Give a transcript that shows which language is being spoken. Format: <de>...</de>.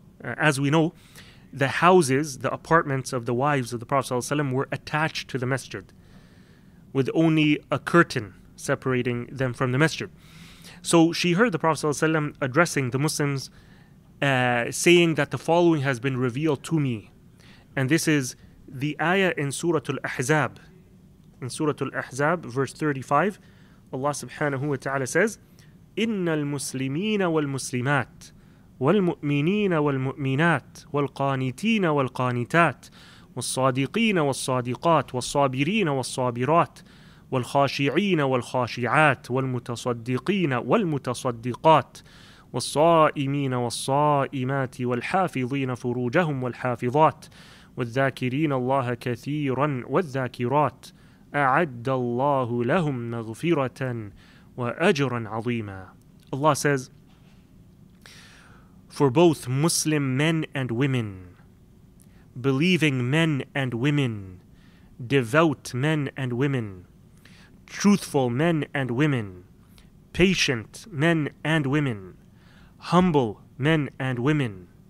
<en>As we know, the houses, the apartments of the wives of the Prophet ﷺ were attached to the masjid, with only a curtain separating them from the masjid. So she heard the Prophet ﷺ addressing the Muslims, saying that the following has been revealed to me. And this is the ayah in Surah Al-Ahzab. In Surah Al-Ahzab, verse 35, Allah subhanahu wa ta'ala says,</en> <ar>إِنَّ الْمُسْلِمِينَ وَالْمُسْلِمَاتِ وَالْمُؤْمِنِينَ وَالْمُؤْمِنَاتِ وَالْقَانِتِينَ وَالْقَانِتَاتِ وَالصَّادِقِينَ وَالصَّادِقَاتِ وَالصَّابِرِينَ وَالصَّابِرَاتِ والخاشعين والخاشعات والمتصدقين والمتصدقات والصائمين والصائمات والحافظين فروجهم والحافظات والذاكرين الله كثيرا والذاكرات أعد الله لهم مغفرة وأجرا عظيما.</ar> <en>Allah says, for both Muslim men and women, believing men and women, devout men and women, truthful men and women, patient men and women, humble men and women,</en>